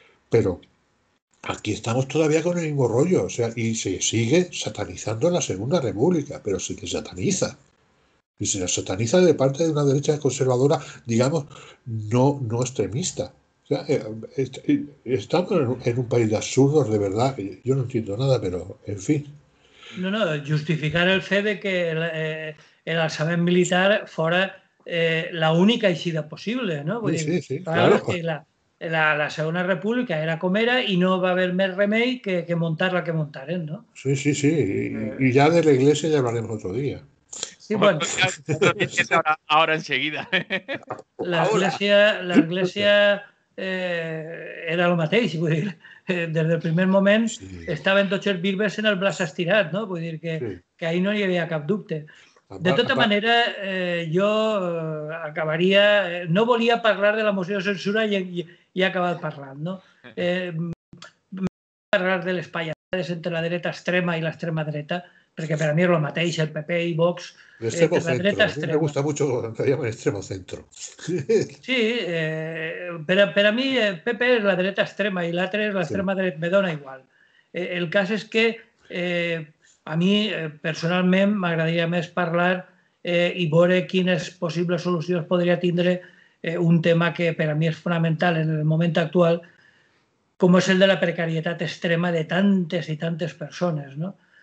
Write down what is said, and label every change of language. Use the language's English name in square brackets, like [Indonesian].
[Spanish] Pero aquí estamos todavía con el mismo rollo. O sea, y se sigue satanizando la Segunda República, pero se le sataniza. Y se le sataniza de parte de una derecha conservadora, digamos, no extremista. O sea, estamos en un país de absurdos, de verdad. Yo no entiendo nada, pero en fin. [Catalan] No, no, justificar el fet de que l'alçament militar fora la única eixida possible, no? Vull sí, dir, sí, sí, claro. Que la Segona República era com era i no va haver més remei que muntar la que muntaren, no? Sí, sí, sí, i ja de l'Església ja [Spanish] hablarem otro dia. Sí, bueno. Ahora enseguida. [Catalan] L'Església era el mateix, vull dir, des del primer moment sí. Estaven tots els bisbes en el braç estirat, no? Vull dir que ahí no hi havia cap dubte. De tota manera, jo acabaria... No volia parlar de la moció de censura i he acabat parlant, no? Parlar de les pallades entre la dreta extrema i l'extrema dreta, perquè per a mi és el mateix, el PP i Vox... [Spanish] L'extremo centro. A mi me gusta mucho lo que llaman extremo centro. [Catalan] Sí, per a mi PP és la dreta extrema i l'altre és l'extrema sí. Dreta. Me dona igual. El cas és que... a mi, personalment, m'agradaria més parlar i veure quines possibles solucions podria tindre un tema que per a mi és fonamental en el moment actual, com és el de la precarietat extrema de tantes i tantes persones, no?